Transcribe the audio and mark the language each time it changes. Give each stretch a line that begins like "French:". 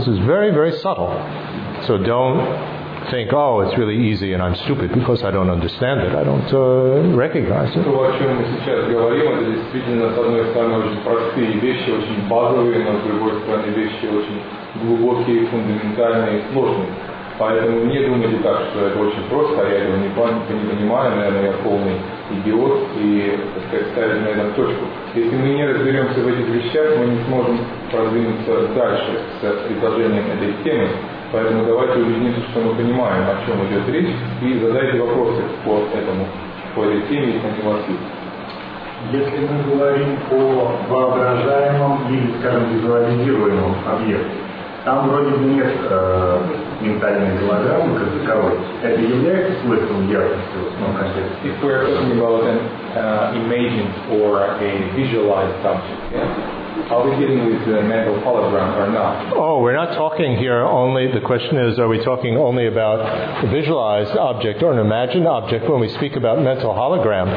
English: This is very, very subtle. So don't think, oh, it's really easy and I'm stupid because I don't understand it. I don't recognize it.
Russian: То, о чем мы сейчас говорим, это действительно, с одной стороны, очень простые вещи, очень базовые, но с другой стороны, вещи очень глубокие, фундаментальные и сложные. Поэтому не думайте так, что это очень просто, а я этого не понимаю, наверное, я полный идиот, и, так сказать, ставить на этом точку. Если мы не разберемся в этих вещах, мы не сможем продвинуться дальше с предложением этой темы. Поэтому давайте убедимся, что мы понимаем, о чем идет речь, и задайте вопросы по этому, по этой теме, если они у вас есть. Если мы говорим о воображаемом или, скажем, визуализируемом объекте, там вроде бы нет ментальной голограммы как таковой. Это является смыслом яркости в основном контексте?
English: If we are talking about an imagined or a visualized subject, are we dealing with the mental hologram or not? Oh, we're not talking here only, the question is, are we talking only about a visualized object or an imagined object when we speak about mental hologram?